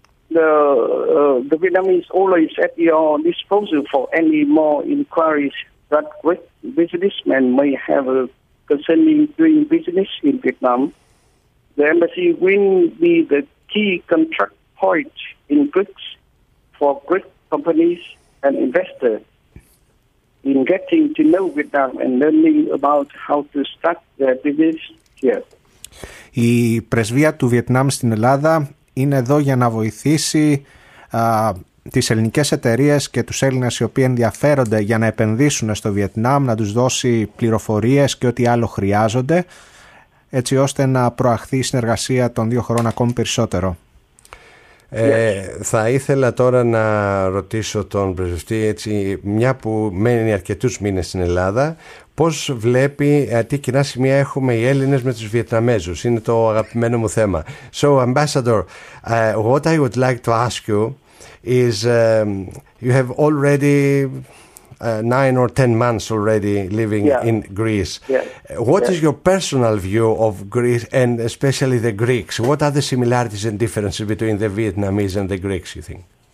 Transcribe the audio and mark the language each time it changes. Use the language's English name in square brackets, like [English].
[English] The Vietnamese always at your disposal for any more inquiries that great businessmen may have concerning doing business in Vietnam. The embassy will be the key contact point in Greece for great companies and investors in getting to know Vietnam and learning about how to start their business here. [Greek] Η πρεσβεία του Βιετνάμ στην Ελλάδα είναι εδώ για να βοηθήσει τις ελληνικές εταιρείες και τους Έλληνες οι οποίοι ενδιαφέρονται για να επενδύσουν στο Βιετνάμ, να τους δώσει πληροφορίες και ό,τι άλλο χρειάζονται, έτσι ώστε να προαχθεί η συνεργασία των δύο χωρών ακόμη περισσότερο. Θα ήθελα τώρα να ρωτήσω τον πρεσβευτή, έτσι, μια που μένει αρκετούς μήνες στην Ελλάδα, πώς βλέπει, τι κοινά σημεία έχουμε οι Έλληνες με τους Βιετναμέζους. Είναι το αγαπημένο μου θέμα. [English] So, Ambassador, what I would like to ask you is, you have already 9 or 10 months already living in Greece. Yeah. What is your personal view of Greece and especially the Greeks? What are the similarities and differences between the Vietnamese and the Greeks, you think?